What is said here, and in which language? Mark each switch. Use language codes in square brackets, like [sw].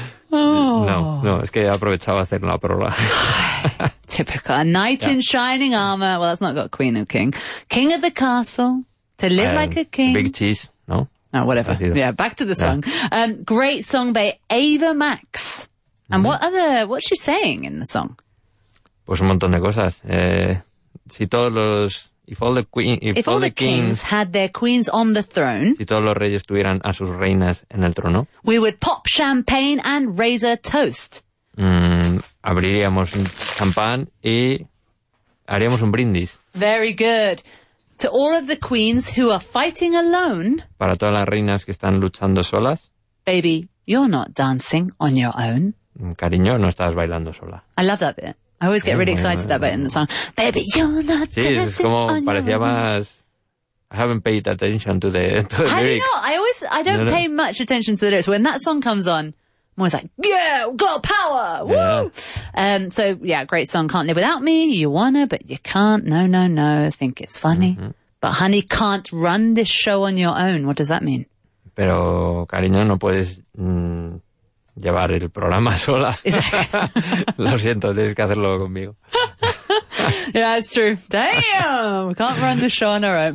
[es] No, es que he aprovechado hacer la prórroga. [en] Typical. A knight in shining armor. Well, that's not got queen or king. King of the castle, to live like a king. Big cheese, no? Oh, whatever. Yeah, back to the song. Yeah. Great song by Ava Max. And what's she saying in the song? [es] Pues un montón de cosas. Si todos los, [en] if all the kings had their queens on the throne, [es] si todos los reyes tuvieran a sus reinas en el trono, [en] we would pop champagne and raise a toast. [es] Abriríamos un champán y haríamos un brindis. [en] Very good. To all of the queens who are fighting alone. [es] Para todas las reinas que están luchando solas. [en] Baby, you're not dancing on your own. [es] Cariño, no estás bailando sola. [en] I love that bit. I always get really excited that bit in the song. Baby, you're not dancing on your own. [es] Sí, es como parecía más. [en] I haven't paid attention to the lyrics. How do you know? I don't pay much attention to the lyrics. When that song comes on, I'm always like, yeah, got power. Woo! Yeah. Great song. Can't live without me. You wanna, but you can't. No, no, no. Think it's funny. Mm-hmm. But honey, can't run this show on your own. What does that mean? [es] Pero, cariño, no puedes llevar el programa sola. Lo siento, tienes que hacerlo conmigo. [en] Yeah, it's true. Damn! We can't run this show on our own. But